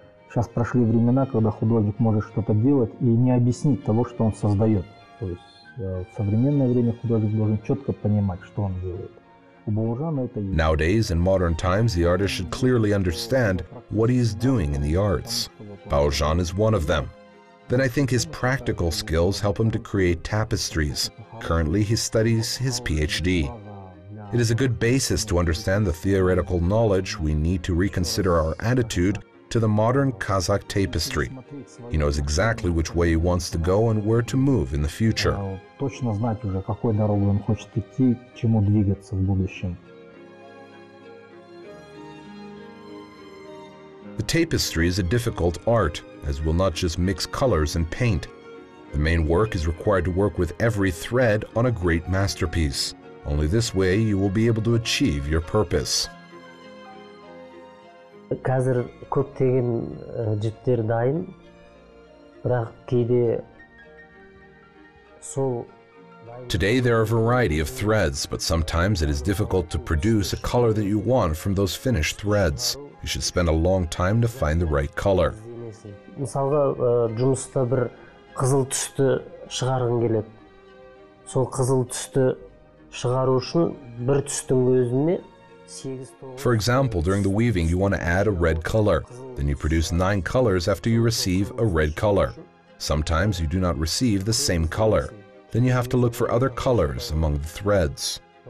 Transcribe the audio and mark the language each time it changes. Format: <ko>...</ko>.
<ru>Сейчас прошли времена, когда художник может что-то делать и не объяснить того, что он создает. То есть в современное время художник должен четко понимать, что он делает. У Баурзана это есть.</ru> <en>Nowadays, in modern times, the artist should clearly understand what he is doing in the arts. Baurzhan is one of them. Then I think his practical skills help him to create tapestries. Currently, he studies his PhD. It is a good basis to understand the theoretical knowledge. We need to reconsider our attitude to the modern Kazakh tapestry. He knows exactly which way he wants to go and where to move in the future.</en> <ru>Точно знать уже, какой дорогой он хочет идти, к чему двигаться в будущем.</ru> <en>The tapestry is a difficult art, as will not just mix colors and paint. The main work is required to work with every thread on a great masterpiece. Only this way you will be able to achieve your purpose.</en> <kk>Қазір көптеген жіптер дайын, бірақ кейде сол.</kk> <en>Today there are a variety of threads, but sometimes it is difficult to produce a color that you want from those finished threads. You should spend a long time to find the right color.</en> <kk>Мысалға, жұмыста бір қызыл түсті шығарғым келеді. Сол қызыл түсті шығару үшін бір түстің өзіне.</kk> <en>For example, during the weaving, you want to add a red color. Then you produce 9 colors after you receive a red color. Sometimes you do not receive the same color. Then you have to look for other colors among the threads.</en>